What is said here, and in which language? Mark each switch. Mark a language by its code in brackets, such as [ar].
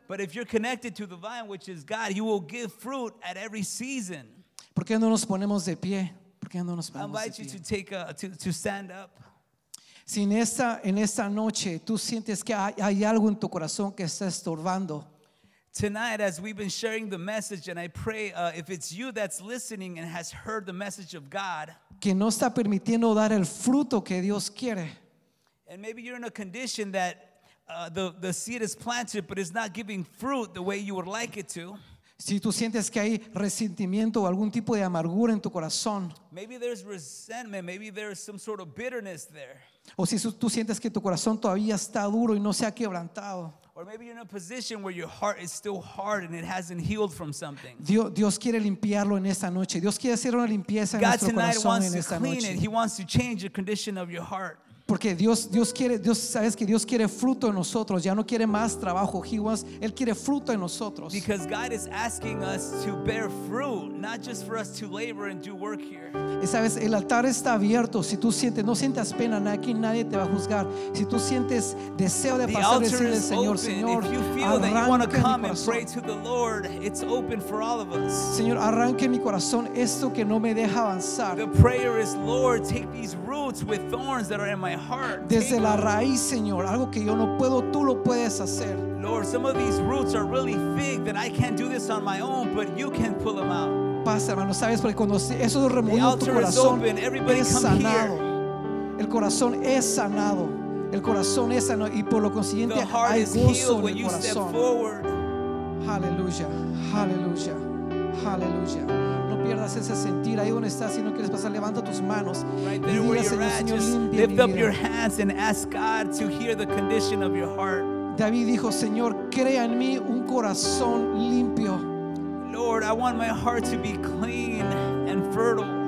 [en] But if you're connected to the vine, which is God, you will give fruit at every season. [es] ¿Por qué no nos ponemos de pie? ¿Por qué no nos ponemos [en] I invite [es] de pie? [en] You to take a, to stand up. [es] Si en esta noche tú sientes que hay algo en tu corazón que está estorbando. [en] Tonight, as we've been sharing the message, and I pray if it's you that's listening and has heard the message of God. [es] Que no está permitiendo dar el fruto que Dios quiere. [en] And maybe you're in a condition that the seed is planted, but it's not giving fruit the way you would like it to. [es] Si tú sientes que hay resentimiento o algún tipo de amargura en tu corazón. [en] Maybe there's resentment. Maybe there's some sort of bitterness there. [es] O si tú sientes que tu corazón todavía está duro y no se ha quebrantado. [en] Or maybe you're in a position where your heart is still hard and it hasn't healed from something. [es] Dios quiere limpiarlo en esta noche. Dios quiere hacer una limpieza en nuestro corazón en esta noche. [en] God tonight wants to clean it. He wants to change the condition of your heart. [es] Porque Dios quiere, Dios, sabes que Dios quiere fruto en nosotros, ya no quiere más trabajo. [en] He wants, [es] él quiere fruto en nosotros. [en] Because God is asking us to bear fruit, not just for us to labor and do work here. [es] Y sabes, el altar está abierto. Si tú sientes, no sientas pena, aquí nadie te va a juzgar. Si tú sientes deseo de pasar, decirle al Señor, Señor, arranque mi corazón. [en] And pray to the Lord, it's open for all of us. [es] Señor, arranque mi corazón esto que no me deja avanzar. [en] The prayer is, Lord, take these roots with thorns that are in my heart. [es] Desde la raíz, Señor, algo que yo no puedo, tú lo puedes hacer. [en] Lord, some of these roots are really thick that I can't do this on my own, but you can pull them out. [es] Pasa, hermano, sabes, porque cuando eso remueve tu corazón, es sanado. El corazón es sanado. El corazón es sanado y por lo consiguiente hay gozo en el corazón. Aleluya, aleluya, aleluya. No pierdas ese sentir ahí donde estás. Si no quieres pasar, levanta tus manos. [en] Lift up your hands and ask God to hear the condition of your heart. [es] David dijo, Señor, crea en mí un corazón limpio. [en] Lord, I want my heart to be clean and fertile.